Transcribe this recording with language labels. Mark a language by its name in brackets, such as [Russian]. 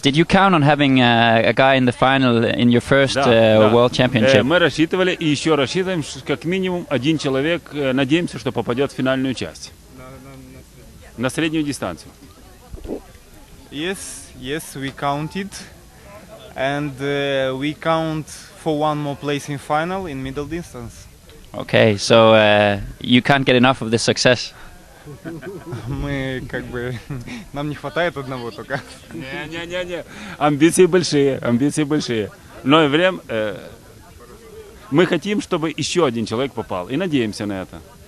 [English] Did you count on having a guy in the final in your first world championship? [Russian] Мы рассчитывали и еще рассчитываем, как минимум один человек, надеемся, что попадет в финальную часть. На среднюю дистанцию. [English] Yes, we counted. And we count for one more place in final in middle distance. Okay, so you can't get enough of this success. [Russian] Мы как бы нам не хватает одного только. Не. Амбиции большие. Но и время мы хотим, чтобы еще один человек попал и надеемся на это.